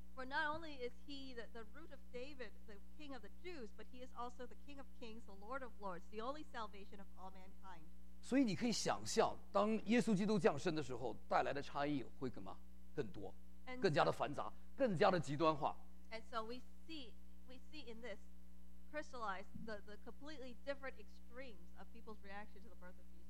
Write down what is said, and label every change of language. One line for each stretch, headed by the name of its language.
English: For not only is he the root of David, the king of the Jews, but he is also the king of kings, the Lord of lords, the only salvation of all mankind.
Chinese: 所以你可以想象，当耶稣基督降生的时候，带来的差异会更多，更加的繁杂，更加的极端化。
English: And so we see in this crystallized the completely different extremes of people's reaction to the birth of.